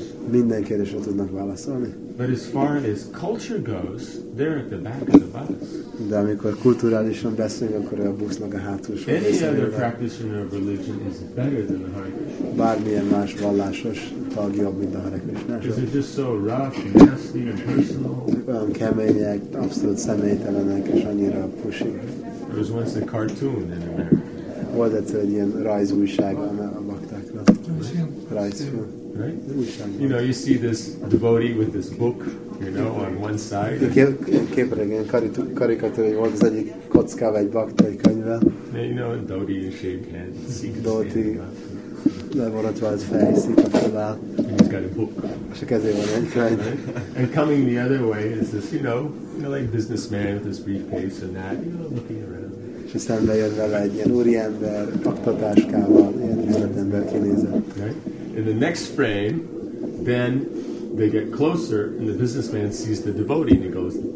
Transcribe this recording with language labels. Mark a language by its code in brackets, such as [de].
[hu] Minden kérdésre tudnak válaszolni. [en] But as far as culture goes, they're at the back of the bus. [hu] De amikor kulturálisan beszélünk, akkor a busznak a hátulsó. [en] Any other practitioner of religion is better than the Hare Krishna. [hu] Bármilyen más vallásos tag jobb, mint a Hare Krishna. [en] Because it's just so rough, nasty, and personal. [hu] Olyan kemények, abszolút személytelenek, és annyira pusik. [en] There was once a cartoon in America. [hu] Volt egyszer egy ilyen rajzújság a baktáknak. Rajzfilm. [en] Right? You know, you see this devotee with this book, you know, on one side. [hu] Képregény, karikatúra volt az egyik kockával, egy bakta, egy könyvvel. [en] You know, Dodi in shaved head. [hu] Dodi lemaradva az fej, szik a fölvel. [en] He's got a book. [hu] És a kezé van egy könyv. [en] And coming the other way is this, you know, like businessman with his briefcase and that, you know, looking around. [hu] És szembe jön vele egy ilyen úriember, aktatáskával, ilyen üzletember kinézett. [en] In the next frame, then they get closer, and the businessman sees the devotee, and he goes,